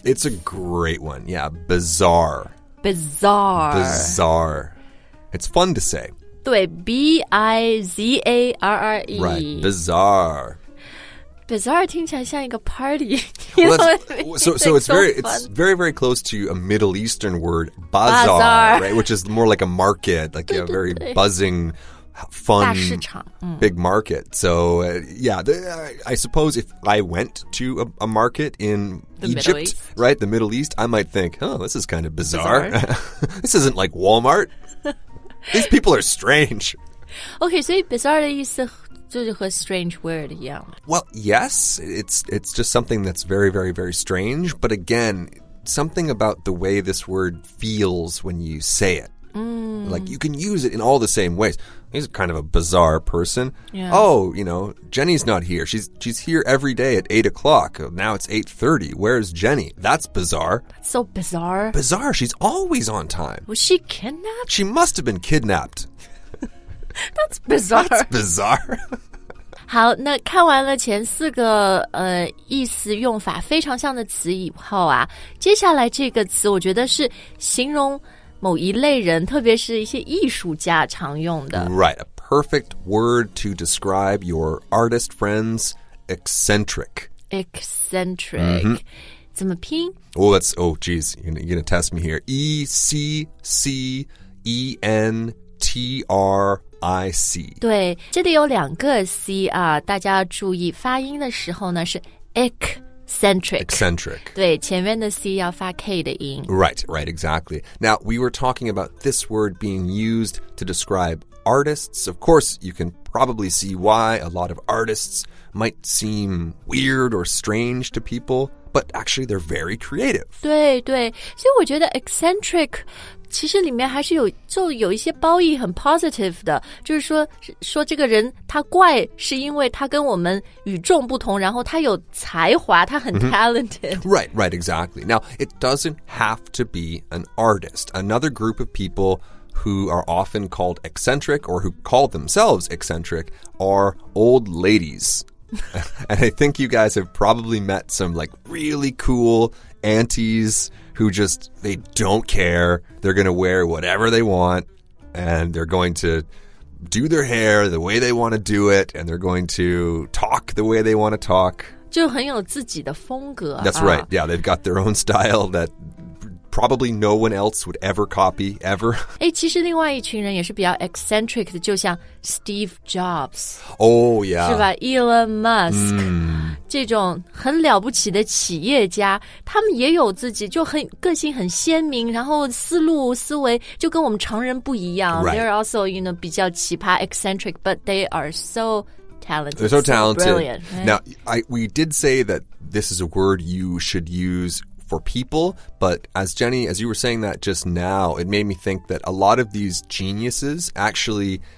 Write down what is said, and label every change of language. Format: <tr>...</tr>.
<en>It's a great one, yeah, bizarre. Bizarre. Bizarre. It's fun to say.</en> <zh>对 B-I-Z-A-R-R-E.</zh> <en>Right, bizarre.</en> <zh>Bizarre 听起来像一个 party.</zh> <en>Well, so it's, very, it's very, very close to a Middle Eastern word, bazaar, right, which is more like a market, like a very buzzing, fun, big market. So, I suppose if I went to a market in Egypt, right, the Middle East, I might think, oh, this is kind of bizarre. This isn't like Walmart. These people are strange.</en> <zh>Okay, so bizarre 的意思就是和 strange word 一样。</zh> <en>Well, yes, it's just something that's very, very, very strange. But again, something about the way this word feels when you say it.、 Mm. Like, you can use it in all the same ways. He's kind of a bizarre person.、 Yeah. Oh, you know, Jenny's not here. She's here every day at 8 o'clock. Now it's 8:30. Where's Jenny? That's bizarre. That's so bizarre. Bizarre. She's always on time. Was she kidnapped? She must have been kidnapped. That's bizarre. That's bizarre.</en> <zh>好，那看完了前四个意思用法非常像的词以后啊，接下来这个词我觉得是形容某一类人，特别是一些艺术家常用的。</zh> <en>Right, a perfect word to describe your artist friends, eccentric. Eccentric.、Mm-hmm.</en> <zh>怎么拼?</zh> <en>Oh, that's, oh, geez, you're going to test me here. E-C-C-E-N-T-R-I-C.</en> <zh>对,这里有两个 C 啊,大家要注意发音的时候呢是 ec-Eccentric. 对,前面的 C 要发 K 的音。</zh> <en>Right, right, exactly. Now, we were talking about this word being used to describe artists. Of course, you can probably see why a lot of artists might seem weird or strange to people, but actually they're very creative.</en> <zh>对,对,所以我觉得 eccentric... 其实里面还是有一些褒义很 positive 的，就是说这个人他怪是因为他跟我们与众不同，然后他有才华，他很 talented、</zh> <en>mm-hmm. Right, right, exactly. Now, it doesn't have to be an artist. Another group of people who are often called eccentric or who call themselves eccentric are old ladies. And I think you guys have probably met some like really cool aunties who just, they don't care. They're going to wear whatever they want, and they're going to do their hair the way they want to do it, and they're going to talk the way they want to talk.</en> <zh>就很有自己的风格啊。</zh> <en>That's right. Yeah, they've got their own style that... probably no one else would ever copy, ever.</en> <zh>其实另外一群人也是比较 eccentric 的，就像 Steve Jobs.</zh> <en>Oh, yeah.</en> <zh>是吧? Elon Musk. 这种很了不起的企业家，他们也有自己就很个性很鲜明，然后思路思维就跟我们常人不一样。</zh> <en>Right. They're also, you know,</en> <zh>比较奇葩</zh> <en>eccentric, but they are so talented. They're so talented. So brilliant, right? Now, we did say that this is a word you should use for people, but as Jenny, as you were saying that just now, it made me think that a lot of these geniuses actually...</en>